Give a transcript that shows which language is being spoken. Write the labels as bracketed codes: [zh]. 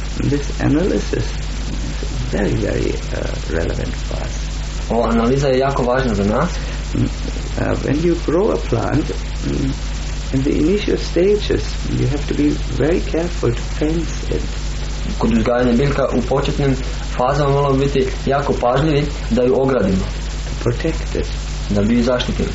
[en] This analysis is very, very relevant for us. [hr] Ova analiza je jako važna za nas. [en] When you grow a plant, in the initial stages, you have to be very careful to fence it. [hr] Kod uzgajanja biljka u početnim fazama moramo biti jako pažljivi da ju ogradimo. [en] To protect it. [hr] Da bi ju zaštitili.